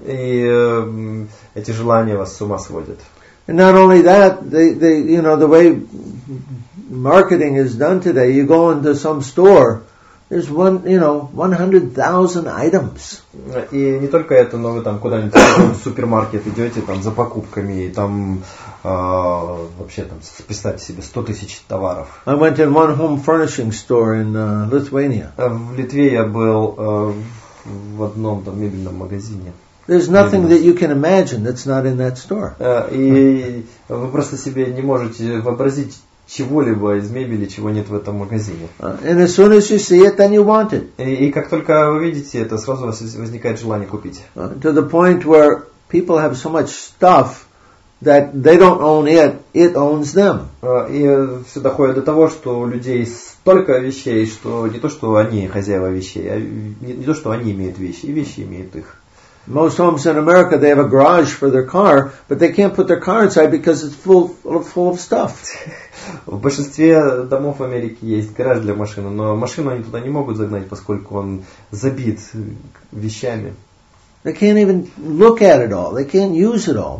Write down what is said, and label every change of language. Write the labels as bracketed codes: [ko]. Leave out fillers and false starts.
[ru] И эти желания вас с ума сводят. [en] And not only that, the way marketing is done today, you go into some store. There's 100,000 items. [ru] И не только это, но вы там куда-нибудь в супермаркет идете там за покупками, и там вообще там представьте себе 100,000 товаров. [en] I went in one home furnishing store in Lithuania. [ru] В Литве я был в одном там мебельном магазине. [en] There's nothing that you can imagine that's not in that store. [ru] И вы просто себе не можете вообразить чего-либо из мебели, чего нет в этом магазине. [en] And as soon as you see it, then you want it. [ru] И как только вы видите это, сразу у вас возникает желание купить. [en] To the point where people have so much stuff that they don't own it, it owns them. [ru] И все доходит до того, что у людей столько вещей, что не то, что они хозяева вещей, а не то, что они имеют вещи, и вещи имеют их. [en] Most homes in America, they have a garage for their car, but they can't put their car inside because it's full of stuff. [ru] В большинстве домов в Америке есть гараж для машины, но машину они туда не могут загнать, поскольку он забит вещами. [en] They can't even look at it all. They can't use it all.